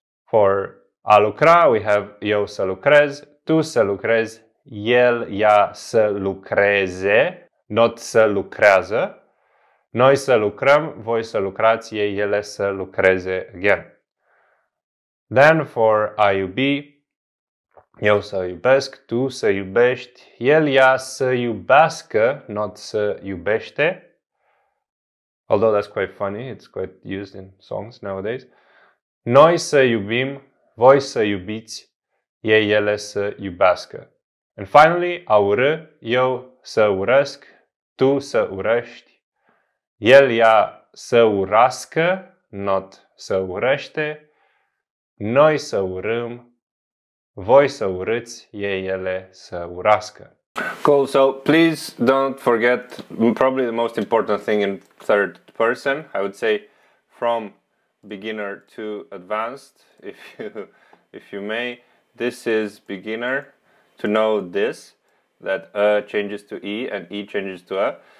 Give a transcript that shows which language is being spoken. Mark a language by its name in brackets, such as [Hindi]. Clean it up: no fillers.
[Romanian] For a lucra, [English] we have [Romanian] eu să lucrez, tu să lucrezi, el, ea să lucreze, [English] not [Romanian] să lucrează, noi să lucrăm, voi să lucrați, ei, ele să lucreze [English] again. Then for [Romanian] a iubi, eu să iubesc, tu să iubești, el, ea să iubească, [English] not [Romanian] să iubește. [English] Although that's quite funny, it's quite used in songs nowadays. [Romanian] Noi să iubim, voi să iubiți, ei, ele să iubească. [English] And finally, [Romanian] a urâ, eu să urăsc, tu să urăști, el, ea să urască, [English] not [Romanian] să urăște, noi să urâm, voi să urâți, ei, ele să urască. [English] Cool, so please don't forget probably the most important thing in third person. I would say from beginner to advanced, if you may. This is beginner, to know this, that E changes to E and E changes to E.